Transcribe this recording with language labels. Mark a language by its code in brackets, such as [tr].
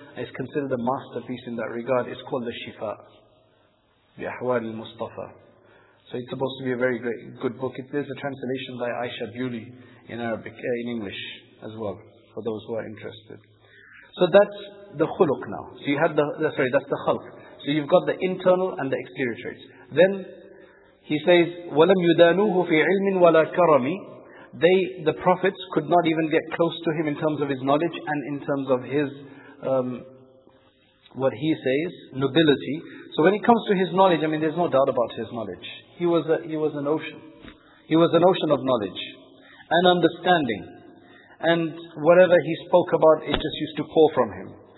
[en] It's considered a masterpiece in that regard. It's called the Shifa, the Ahwal al-Mustafa. So it's supposed to be a very great, good book. There's a translation by Aisha Bewley in Arabic, in English as well, for those who are interested. So that's the khuluq now. So you have that's the khalq. So you've got the internal and the exterior traits. Then he says, [ar] وَلَمْ يُدَانُوهُ فِي عِلْمٍ وَلَا كَرَمِي. [en] The prophets could not even get close to him in terms of his knowledge and in terms of his, what he says, nobility. So when it comes to his knowledge, I mean, there's no doubt about his knowledge. He was an ocean. He was an ocean of knowledge and understanding. And whatever he spoke about, it just used to pour from him.